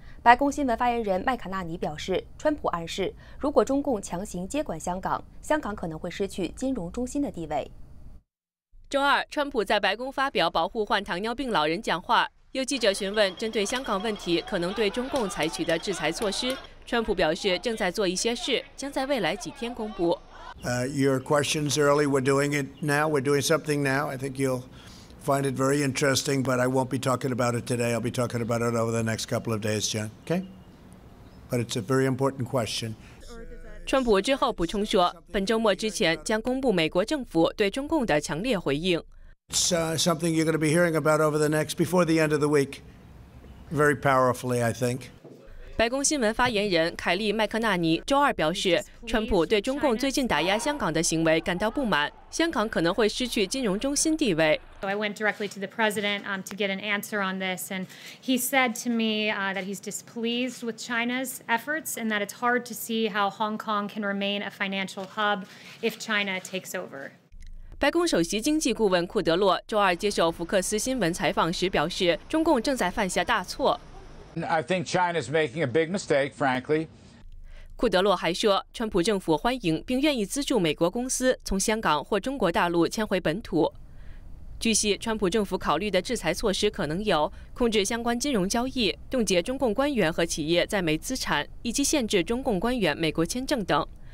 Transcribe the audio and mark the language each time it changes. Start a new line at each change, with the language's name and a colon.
Chinese: 白宫新闻发言人麦卡纳尼表示，川普暗示如果中共强行接管香港，香港可能会失去金融中心的地位。周二，川普在白宫发表保护患糖尿病老人讲话，有记者询问针对香港问题可能对中共采取的制裁措施，川普表示正在做一些事，将在未来几天公布。
English: Your questions early, we're doing it now, we're doing something now. I think you'll find it very interesting, but I won't be talking about it today. I'll be talking about it over the next couple of days, Jen. Okay? But it's a very important question.
Chinese: 川普之后补充说，本周末之前将公布美国政府对中共的强烈回应。
English: It's something you're going to be hearing about over the next, before the end of the week, very powerfully, I think.
Chinese: 白宫新闻发言人凯利·麦克纳尼周二表示，川普对中共最近打压香港的行为感到不满，香港可能会失去金融中心地位。
English: I went directly to the president to get an answer on this, and he said to me that he's displeased with China's efforts and that it's hard to see how Hong Kong can remain a financial hub if China takes over.
Chinese: 白宫首席经济顾问库德洛周二接受福克斯新闻采访时表示，中共正在犯下大错。
English: I think China is making a big mistake, frankly.
Chinese: 库德洛还说，川普政府欢迎并愿意资助美国公司从香港或中国大陆迁回本土。据悉，川普政府考虑的制裁措施可能有控制相关金融交易、冻结中共官员和企业在美资产，以及限制中共官员美国签证等。